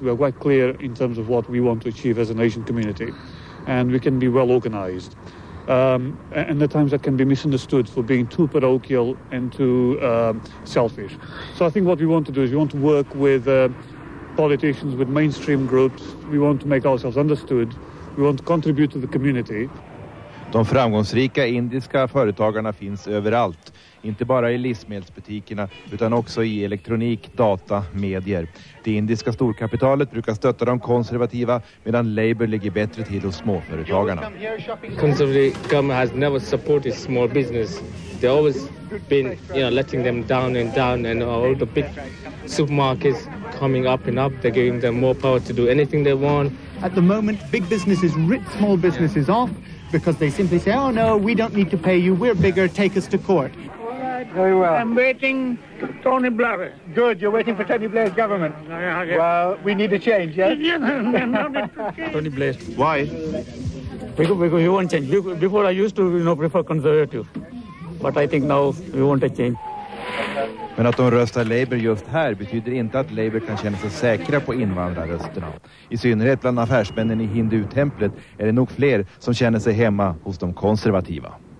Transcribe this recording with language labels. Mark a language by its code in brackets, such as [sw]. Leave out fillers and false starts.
[en] We are quite clear in terms of what we want to achieve as an Asian community. And we can be well organized. And at times that can be misunderstood for being too parochial and too selfish. So I think what we want to do is we want to work with politicians, with mainstream groups. We want to make ourselves understood. We want to contribute to the community. [sv] De framgångsrika indiska företagarna finns överallt. Inte bara i livsmedelsbutikerna utan också i elektronik, data, medier. Det indiska storkapitalet brukar stötta de konservativa medan Labour ligger bättre till hos småföretagarna. [en] Conservative government has never supported small business. They always been, you know, letting them down and down, and all the big supermarkets coming up and up, they're giving them more power to do anything they want. At the moment big businesses rip small businesses off because they simply say, "Oh no, we don't need to pay you. We're bigger. Take us to court." Very well. I'm waiting Tony Blair. Good, you're waiting for Tony Blair's government. Well, we need a change, yeah? Tony Blair. Why? Because you won't change. Before I used to, you know, prefer conservative. But I think now we want a change. [sv] Men att de röstar Labour just här betyder inte att Labour kan känna sig säkra på invandrarrösterna. I synnerhet bland affärsmännen i hindutemplet är det nog fler som känner sig hemma hos de konservativa.